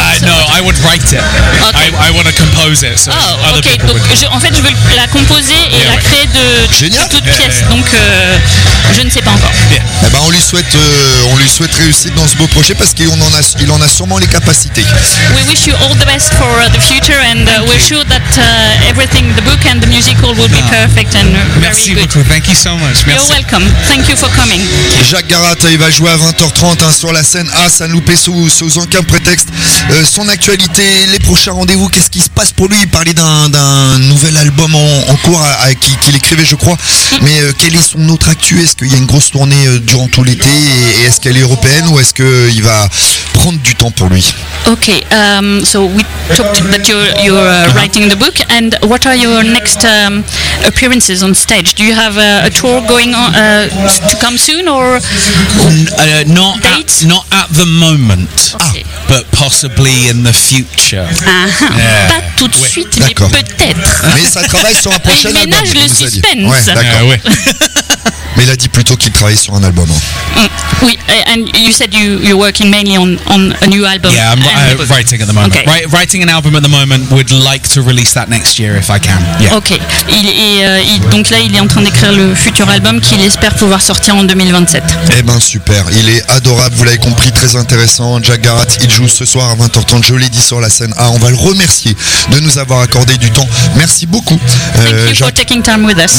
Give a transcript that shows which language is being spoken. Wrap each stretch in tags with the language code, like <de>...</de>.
<en>No, I would write it. Okay. I want to compose it. So</en> <fr>je veux la composer et la créer de toute pièce.</fr> <en>Yeah.</en> <fr>Donc je ne sais pas encore.</fr> <en>Yeah.</en> <fr>Eh ben on lui souhaite réussite dans ce beau projet parce qu'il en a sûrement les capacités.</fr> <en>We wish you all the best for the future and we're sure that everything, the book and the musical will be perfect and</en> <fr>merci</fr> <en>very</en> <fr>beaucoup.</fr> <en>Good. Thank you so much.</en> <fr>Merci.</fr> <en>You're welcome. Thank you for coming.</en> <fr>Jacques Garat, il va jouer à 20h30 hein, sur la scène A, San Lupe, sous aucun prétexte. Son actualité, les prochains rendez-vous, qu'est-ce qui se passe pour lui? Il parlait d'un nouvel album en cours qu'il écrivait, je crois. Mais quelle est son autre actu? Est-ce qu'il y a une grosse tournée durant tout l'été et est-ce qu'elle est européenne ou est-ce qu'il va prendre du temps pour lui?</fr> <en>Ok, so we talked that you're writing the book and what are your next appearances on stage? Do you have a tour going on to come soon or not date? Not at the moment, but possibly in the future.</en> <fr>Pas tout de suite, mais peut-être. Mais ça travaille sur un prochain album. Il ménage le suspense. Ouais, d'accord. Mais il a dit plutôt qu'il travaillait sur un album.</fr> <en>Oui, and you said you're working mainly on a new album. Yeah, I'm writing at the moment. Okay. Writing an album at the moment. Would like to release that next year if I can. Yeah. Okay.</en> <fr>Donc là, il est en train d'écrire le futur album qu'il espère pouvoir sortir en 2027. Eh ben super. Il est adorable. Vous l'avez compris, très intéressant. Jack Garat, il joue ce soir à 20h30. Je l'ai dit sur la scène. Ah, on va le remercier de nous avoir accordé du temps. Merci beaucoup.</fr> <en>Thank you for taking time with us.</en>